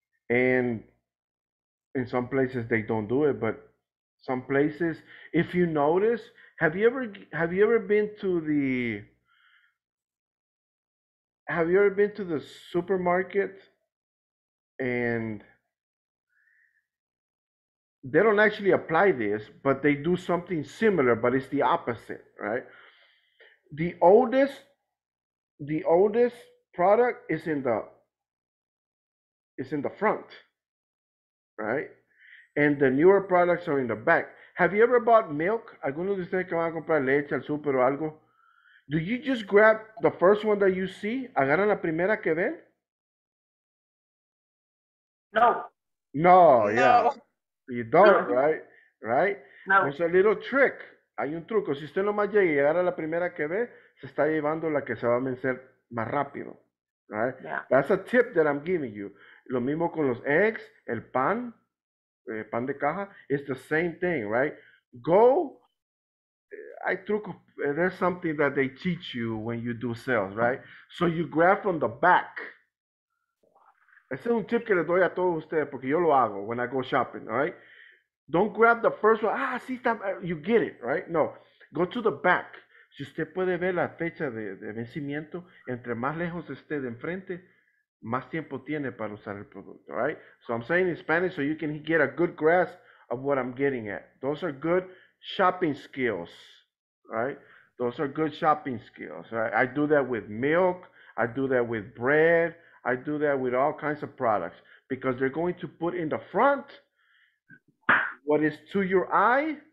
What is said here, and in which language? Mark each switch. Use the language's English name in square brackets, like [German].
[English] And in some places they don't do it, but some places, if you notice, have you ever been to the supermarket and they don't actually apply this, but they do something similar, but it's the opposite, right? The oldest product is in the is in the front, right? And the newer products are in the back. Have you ever bought milk? [Spanish] ¿Alguno de ustedes que van a comprar leche al súper o algo? [English] Do you just grab the first one that you see? [Spanish] ¿Agarran la primera que ven? [English] No. No, yeah. No. You don't, no. Right? Right? No. It's a little trick. [Spanish] Hay un truco. Si usted nomás llega y agarra la primera que ve, se está llevando la que se va a vencer más rápido. [English] Right? Yeah. That's a tip that I'm giving you. [Spanish] Lo mismo con los eggs, el pan. [English] Pan de caja, it's the same thing, right? Go, I took, there's something that they teach you when you do sales, right? So you grab from the back. [Spanish] Ese es un tip que le doy a todos ustedes porque yo lo hago [English] when I go shopping, all right? Don't grab the first one, [Spanish] ah, sí, está, [English] you get it, right? No, go to the back. [Spanish] Si usted puede ver la fecha de vencimiento, entre más lejos esté de enfrente, más tiempo tiene para usar el producto, right? [English] So I'm saying in Spanish so you can get a good grasp of what I'm getting at. Those are good shopping skills, right? Those are good shopping skills, right? I do that with milk. I do that with bread. I do that with all kinds of products because they're going to put in the front what is to your eye.